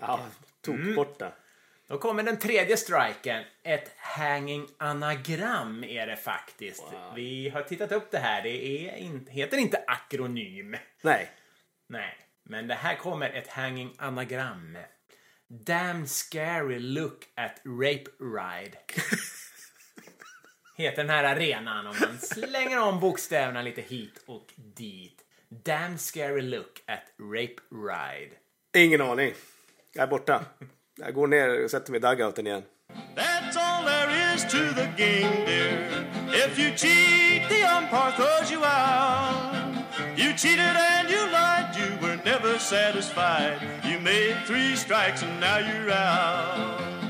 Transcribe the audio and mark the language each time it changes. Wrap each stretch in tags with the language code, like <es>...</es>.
<sv>Ja, tog borta. Då kommer den tredje striken. Ett hanging anagram är det faktiskt. Wow. Vi har tittat upp det här. Det är heter inte akronym. Nej. Nej, men det här kommer ett hanging anagram.</sv> <en>Damn scary look at rape ride.</en> <sv>Heter den här arenan om man slänger om bokstäverna lite hit och dit.</sv> <en>Damn scary look at rape ride.</en> <sv>Ingen aning. Jag är borta. Jag går ner och sätter mig i dugouten igen.</sv> <en>That's all there is to the game, dear. If you cheat, the umpire throws you out. You cheated and you lied, you were never satisfied. You made 3 strikes and now you're out.</en>